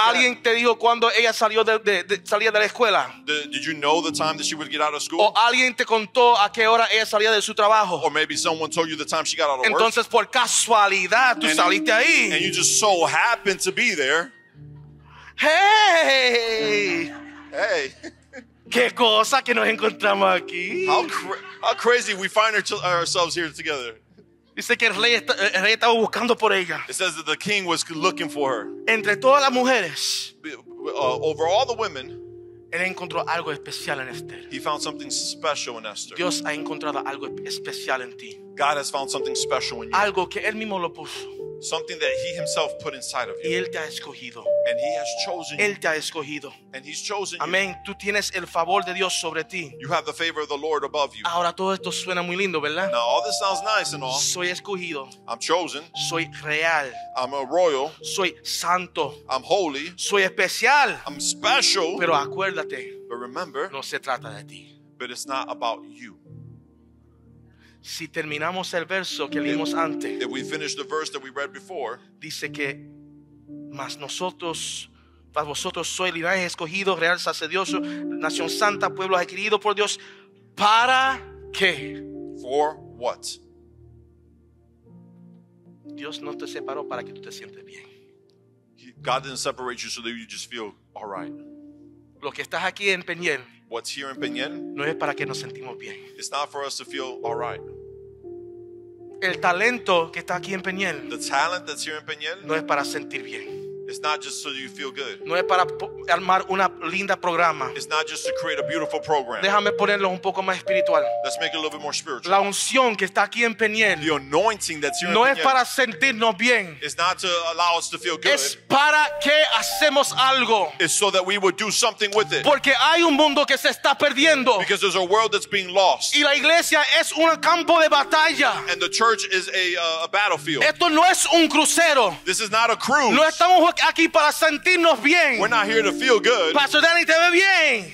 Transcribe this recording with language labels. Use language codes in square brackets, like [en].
[es] ¿Alguien [en] at. [es] Te dijo cuando ella salió de salía de la escuela? [en] Did you know the time that she would get out of school? [es] ¿O alguien te contó a qué hora ella salía de su trabajo? [en] Or maybe someone told you the time she got out of [es] Entonces, [en] work. [es] Entonces, por casualidad, tú saliste ahí. [en] And you just so happened to be there. [es] Hey. ¿Qué cosa que nos encontramos aquí? [en] How crazy we find ourselves here together. [es] Dice que el rey estaba buscando por ella. [en] It says that the king was looking for her. [es] Entre todas las mujeres. [en] Over all the women. [es] Él encontró algo especial en Esther. [en] He found something special in Esther. [es] Dios ha encontrado algo especial en ti. [en] God has found something special in you. [es] Algo que él mismo lo puso. [en] Something that he himself put inside of you. [es] Y él te ha escogido. [en] And he has chosen [es] él [en] you. [es] Te ha escogido. [en] And he's chosen [es] Amén. [en] You. [es] Amen. Tú tienes el favor de Dios sobre ti. [en] You have the favor of the Lord above you. [es] Ahora todo esto suena muy lindo, ¿verdad? [en] Now all this sounds nice and all. [es] Soy escogido. [en] I'm chosen. [es] Soy real. [en] I'm a royal. [es] Soy santo. [en] I'm holy. [es] Soy especial. [en] I'm special. [es] Pero acuérdate. [en] But remember. [es] No se trata de ti. [en] But it's not about you. [es] Si terminamos el verso que leímos antes, [en] if we finish the verse that we read before, [es] dice que mas nosotros, mas vosotros sois linaje escogido, real sacerdocio, nación santa, pueblo adquirido por Dios, ¿para qué? [en] For what? [es] Dios no te separó para que tú te sientes bien. [en] God didn't separate you so that you just feel all right. [es] Lo que estás aquí en Peñel, [en] what's here in Peñel, [es] no es para que nos sentimos bien. [en] It's not for us to feel all right. [es] El talento que está aquí en Peñel, [en] the talent that's here in Peñel, [es] no es para sentir bien. [en] It's not just so you feel good. [es] No es para armar una linda programa. [en] It's not just to create a beautiful program. [es] Déjame ponerlo un poco más espiritual. [en] Let's make it a little bit more spiritual. [es] La unción que está aquí en Peñel, [en] the anointing that's here [es] no [en] in Peñel, [es] es para sentirnos bien. [en] It's not to allow us to feel good. [es] Es para que hacemos algo. [en] It's so that we would do something with it. [es] Porque hay un mundo que se está perdiendo. [en] Because there's a world that's being lost. [es] Y la iglesia es un campo de batalla. [en] And the church is a battlefield. [es] Esto no es un crucero. [en] This is not a cruise. [es] No estamos aquí para sentirnos bien. [en] We're not here to feel good. [es] Pastor Danny, te ve bien.